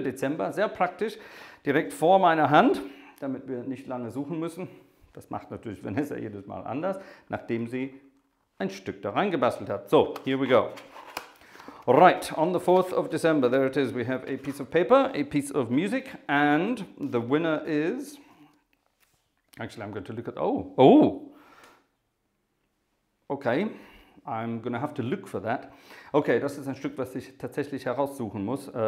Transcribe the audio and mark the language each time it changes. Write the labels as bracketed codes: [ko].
[de] Dezember, sehr praktisch, direkt vor meiner Hand, damit wir nicht lange suchen müssen. Das macht natürlich Vanessa jedes Mal anders, nachdem sie ein Stück da reingebastelt hat. [en] So, here we go. Right, on the 4th of December, there it is. We have a piece of paper, a piece of music, and the winner is... Actually, I'm going to look at... Oh! Okay, I'm going to have to look for that. [de] Okay, das ist ein Stück, was ich tatsächlich heraussuchen muss.